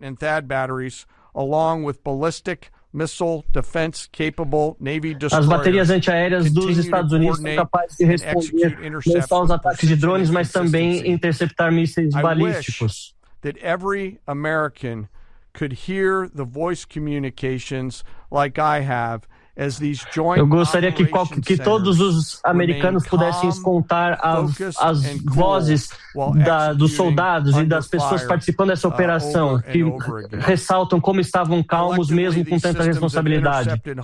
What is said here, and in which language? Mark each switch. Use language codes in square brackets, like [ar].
[en] And THAAD batteries, along with ballistic missile defense capable Navy destroyers, [pt] as baterias antiaéreas dos Estados Unidos são capazes de responder não só aos ataques de drones, mas também interceptar mísseis balísticos. [en] That every American could hear the voice communications like I have. [pt] Eu gostaria que todos os americanos pudessem escutar as vozes dos soldados e das pessoas participando dessa operação, que ressaltam como estavam calmos mesmo com tanta responsabilidade.